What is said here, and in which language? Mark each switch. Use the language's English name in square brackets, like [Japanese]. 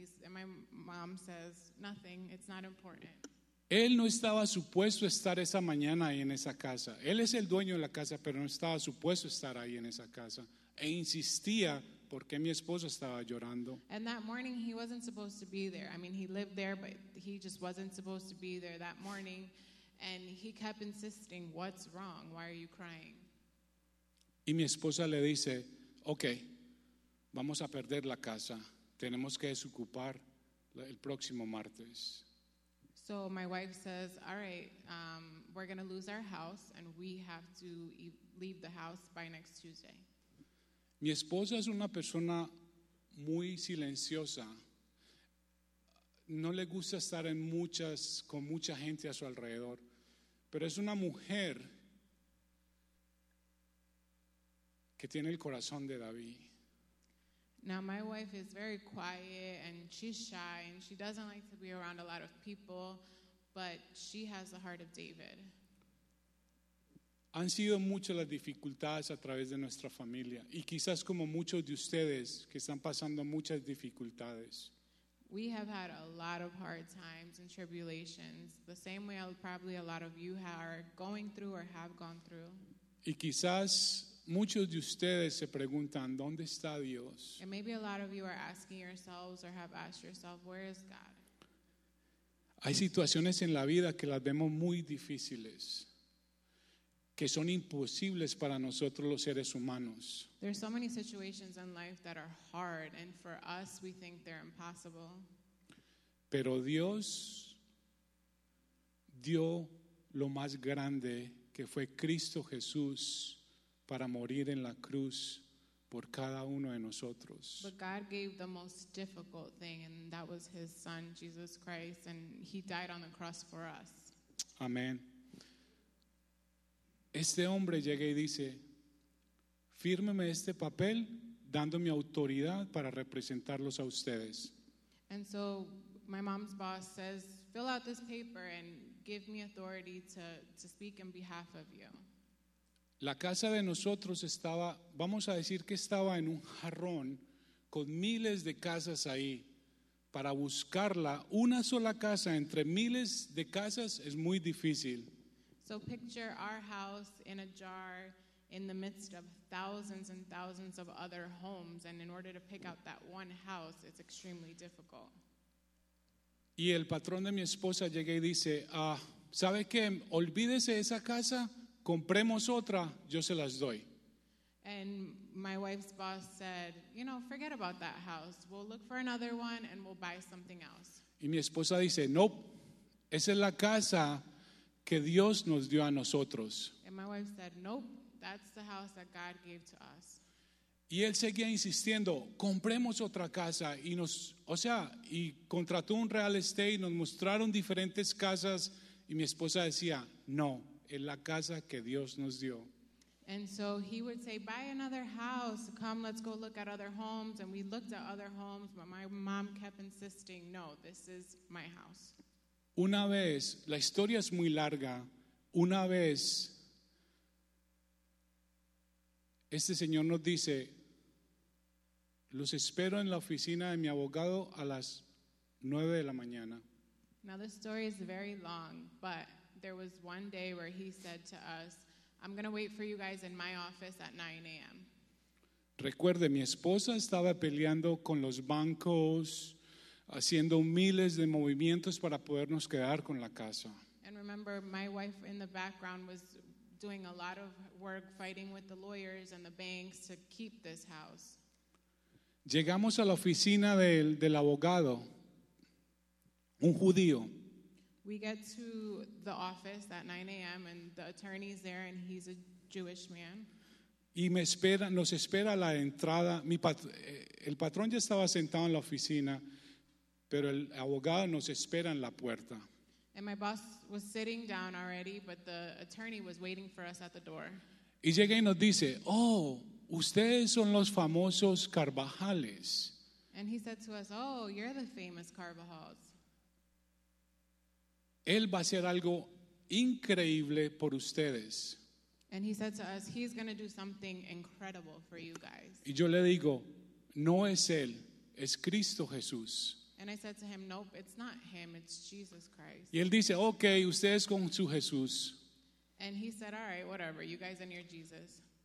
[English] And my mom says, nothing, it's not important. [Spanish] Él no estaba supuesto estar esa mañana ahí en esa casa. Él es el dueño de la casa, pero no estaba supuesto estar ahí en esa casa. E insistía porque mi esposa estaba llorando. [English] And that morning he wasn't supposed to be there. I mean, he lived there, but he just wasn't supposed to be there that morning. And he kept insisting, what's wrong? Why are you crying? [Spanish] Y mi esposa le dice, okay, vamos a perder la casa. Tenemos que desocupar el próximo martes. [English] So my wife says, all right, we're going to lose our house and we have to leave the house by next Tuesday. [Spanish] Mi esposa es una persona muy silenciosa. No le gusta estar con mucha gente a su alrededor. Pero es una mujer que tiene el corazón de David. [English] Now my wife is very quiet and she's shy and she doesn't like to be around a lot of people, but she has the heart of David. [Spanish] Han sido muchas las dificultades a través de nuestra familia y quizás como muchos de ustedes que están pasando muchas dificultades. [English] We have had a lot of hard times and tribulations, the same way probably a lot of you are going through or have gone through. [Spanish] Y quizás Muchos de ustedes se preguntan, ¿dónde está Dios? [English] And maybe a lot of you are asking yourselves or have asked yourself, where is God? [Spanish] Hay situaciones en la vida que las vemos muy difíciles, que son imposibles para nosotros los seres humanos. [English] There are so many situations in life that are hard, and for us, we think they're impossible. [Spanish] Pero Dios dio lo más grande, que fue Cristo Jesús, para morir en la cruz por cada uno de nosotros. [English] But God gave the most difficult thing, and that was his son, Jesus Christ, and he died on the cross for us. [Spanish] Amén. Este hombre llega y dice, fírmeme este papel, dándome autoridad para representarlos a ustedes. [English] And so my mom's boss says, fill out this paper and give me authority to speak in behalf of you. [Spanish] La casa de nosotros estaba, vamos a decir que estaba en un jarrón con miles de casas ahí. Para buscarla, una sola casa entre miles de casas es muy difícil. [English] So picture our house in a jar in the midst of thousands and thousands of other homes, and in order to pick out that one house, it's extremely difficult. [Spanish] Y el patrón de mi esposa llega y dice, ¿sabe qué? Olvídese esa casa, compremos otra, yo se las doy. [English] And my wife's boss said, you know, forget about that house. We'll look for another one and we'll buy something else. [Spanish] Y mi esposa dice, nope, esa es la casa que Dios nos dio a nosotros. [English] And my wife said, nope, that's the house that God gave to us. [Spanish] Y él seguía insistiendo, compremos otra casa. Y nos, o sea, y contrató un real estate, nos mostraron diferentes casas. Y mi esposa decía, no, es la casa que Dios nos dio. [English] And so he would say, buy another house, come, let's go look at other homes. And we looked at other homes, but my mom kept insisting, no, this is my house. [Spanish] Una vez, la historia es muy larga, una vez, este señor nos dice, los espero en la oficina de mi abogado a las 9 de la mañana. [English] Now the story is very long, but there was one day where he said to us, I'm going to wait for you guys in my office at 9 a.m. [Spanish] Recuerde, mi esposa estaba peleando con los bancos, haciendo miles de movimientos para podernos quedar con la casa. [English] And remember, my wife in the background was doing a lot of work fighting with the lawyers and the banks to keep this house. [Spanish] Llegamos a la oficina del abogado, un judío. [English] We get to the office at 9 a.m. and the attorney's there and he's a Jewish man. [Spanish] Y me espera, nos espera la entrada. El patrón ya estaba sentado en la oficina, pero el abogado nos espera en la puerta. [English] And my boss was sitting down already, but the attorney was waiting for us at the door. [Spanish] Y llega y nos dice, oh, ustedes son los famosos Carvajales. [English] And he said to us, oh, you're the famous Carvajals. [Spanish] Él va a hacer algo increíble por ustedes. [English] And he said to us, he's going to do something incredible for you guys. [Spanish] Y yo le digo, no es él, es Cristo Jesús. [English] And I said to him, nope, it's not him, it's Jesus Christ. [Spanish] Y él dice, okay, ustedes con su Jesús. [English] And he said, all right, whatever, you guys and your Jesus.